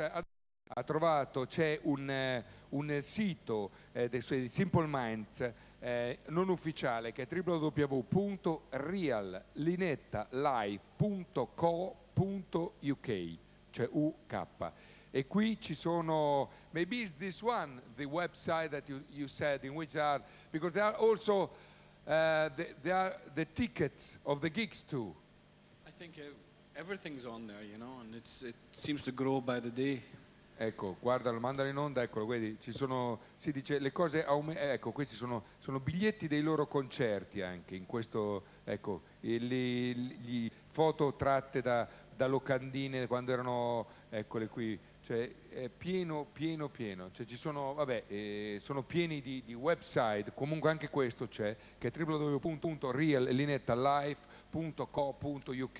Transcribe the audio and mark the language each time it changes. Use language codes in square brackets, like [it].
[it] Ha trovato, c'è un sito dei suoi Simple Minds non ufficiale, che è www.reallinettalife.co.uk, cioè UK. E qui ci sono, [en] maybe it's this one, the website that you said, in which are, because there are also there are the tickets of the gigs too. I think everything's on there, you know, and it seems to grow by the day. [it] Ecco, guarda, lo mandano in onda, eccolo, vedi, ci sono, si dice, le cose aumentano, ecco, questi sono biglietti dei loro concerti anche, in questo, ecco, le foto tratte da locandine quando erano, eccole qui, cioè è pieno, cioè ci sono, vabbè, sono pieni di website, comunque anche questo c'è, che è www.reallinettalife.co.uk.